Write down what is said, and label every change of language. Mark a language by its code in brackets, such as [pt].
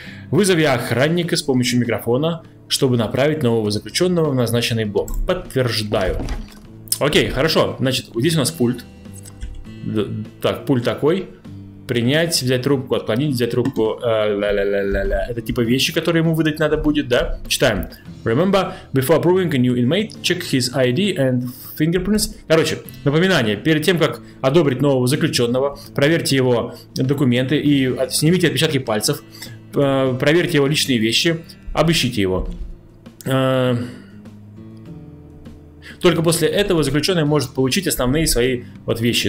[ru] Вызови охранника с помощью микрофона, чтобы направить нового заключенного в назначенный блок. Подтверждаю. Окей, хорошо. Значит, вот здесь у нас пульт. Так, пульт такой. Принять, взять трубку, отклонить, взять трубку. Это типа вещи, которые ему выдать надо будет, да? Читаем. [en] Remember, before approving a new inmate, check his ID and fingerprints. [ru] Короче, напоминание. Перед тем, как одобрить нового заключенного, проверьте его документы и снимите отпечатки пальцев. Проверьте его личные вещи, обыщите его. Только после этого заключенный может получить основные свои вот вещи.